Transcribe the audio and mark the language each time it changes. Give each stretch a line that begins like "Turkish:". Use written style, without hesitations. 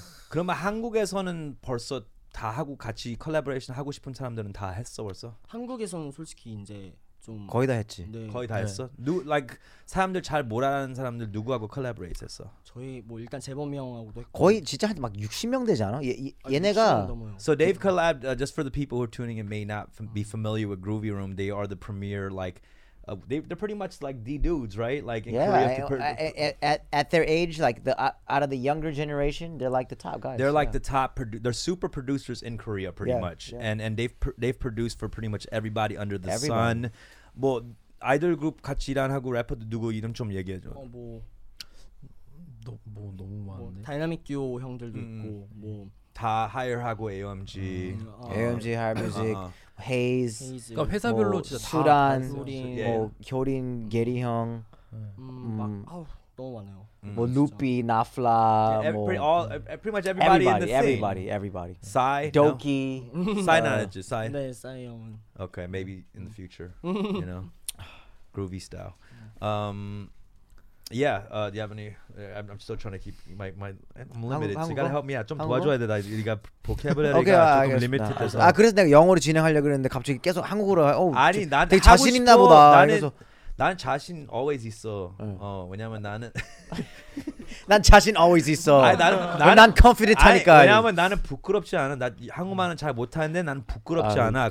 Korean: 그러면 한국에서는 벌써 다 하고 같이 컬래버레이션 하고 싶은 사람들은 다 했어 벌써? 한국에서는 솔직히 이제 좀 거의 다 했지. 네. 거의 다 했어? 네. like 사람들 잘 몰아가는 사람들 누구하고 컬래버레이션 했어? 저희 뭐 일단 재범이 형하고도 했고. 거의 진짜 한 막 60명 되지 않아? 얘네가
English: So they've collabed just for the people who are tuning in may not be familiar with Groovy Room. They are the premier like they're pretty much like the dudes, right? Like in yeah, Korea, at their age, like the out of the younger generation, they're like the top guys. They're like the top. They're super producers in Korea, pretty much. Yeah. And they've produced for pretty much everybody under the sun.
Korean: 뭐 아이돌 그룹 같이 일하고 래퍼도 누구 이름 좀 얘기해 줘. 뭐 너무 많네. 뭐, 다이나믹 듀오 형들도 있고 뭐 다 하이어하고 AOMG, AOMG 하이뮤직. Haze, 그러니까 회사별로 뭐 진짜 수란, 뭐 교린, 게리 형, 너무 많아요. 뭐 루피, 나플라,
English: pretty much everybody in the scene. Everybody. Psy, Doki,
Korean: Psy 나왔지, Psy. 네, Psy 형은.
English: Okay, maybe in the future, you know, groovy style. Yeah. Do you have any? I'm still trying to keep my I'm limited. 한국, so you gotta help me out.
Korean: 좀 도와줘야 돼.
English: 네가 vocabulary가 okay, 조금 limited 해서.
Korean: 아 그래서 내가 영어로 진행하려고 그랬는데 갑자기 계속 한국어로. 어, 아니 저, 되게 자신 있나 보다. 그래서 난 자신 always 있어. 어 왜냐면 나는 난 자신 always 있어. 난 confident 하니까. 왜냐면 나는 부끄럽지 않아. 나 한국말은 잘 못하는데 난 부끄럽지 않아.